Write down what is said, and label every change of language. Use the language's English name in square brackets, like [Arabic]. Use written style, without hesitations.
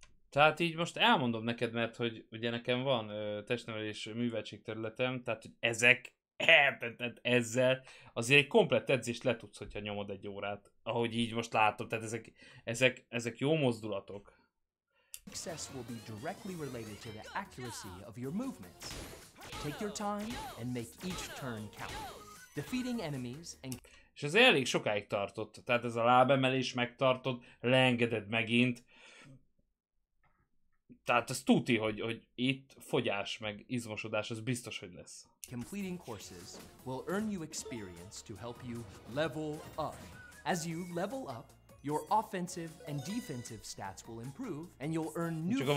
[Hungarian] Tehát így most elmondom neked, mert hogy ugye nekem van testnevelés műveltségterületem, tehát hogy ezek ezzel azért egy komplett edzést le tudsz, hogyha nyomod egy órát, ahogy így most látom, tehát ezek jó mozdulatok. [English] Success will be directly related to the accuracy of your movements. Take your time and make each turn count. Defeating enemies and [Hungarian] és ez elég sokáig tartott, tehát ez a lábemelés megtartod, leengeded megint. Tehát ez tuti, hogy itt fogyás meg izmosodás, ez biztos, hogy lesz. [English] Completing courses will earn you experience to help you level up. As you level up, your offensive and defensive stats will improve and you'll earn new skills.